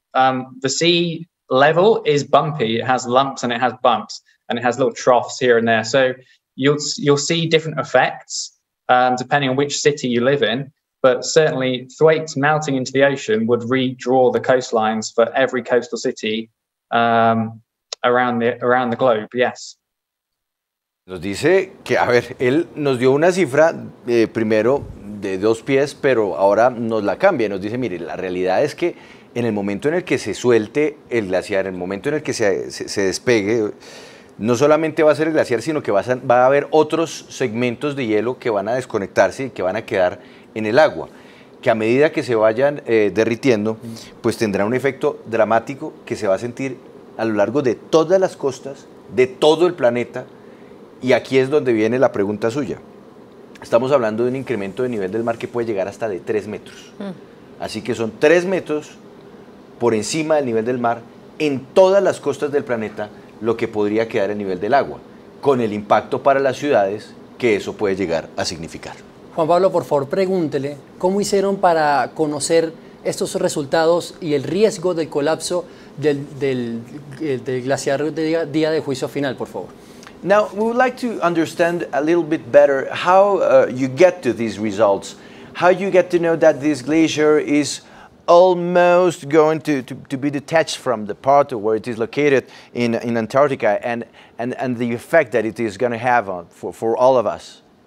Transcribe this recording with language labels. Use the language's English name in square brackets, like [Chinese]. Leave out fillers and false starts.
[English] The sea level is bumpy. It has lumps and it has bumps and it has little troughs here and there. So you'll see different effects depending on which city you live in. But certainly Thwaites melting into the ocean would redraw the coastlines for every coastal city around the globe, yes. [Spanish] Nos dice que, a ver, él nos dio una cifra primero de 2 pies, pero ahora nos la cambia. Nos dice, mire, la realidad es que en el momento en el que se suelte el glaciar, en el momento en el que se despegue, no solamente va a ser el glaciar, sino que va a haber otros segmentos de hielo que van a desconectarse y que van a quedar en el agua, que a medida que se vayan derritiendo, pues tendrá un efecto dramático que se va a sentir a lo largo de todas las costas, de todo el planeta. Y aquí es donde viene la pregunta suya. Estamos hablando de un incremento de nivel del mar que puede llegar hasta de 3 metros. Así que son 3 metros por encima del nivel del mar en todas las costas del planeta lo que podría quedar el nivel del agua, con el impacto para las ciudades que eso puede llegar a significar. Juan Pablo, por favor, pregúntele, ¿cómo hicieron para conocer estos resultados y el riesgo del colapso del glaciar de día de juicio final, por favor? [English] Now, we would like to understand a little bit better how you get to these results, how you get to know that this glacier is almost going to be detached from the part of where it is located in Antarctica and the effect that it is going to have on, for all of us.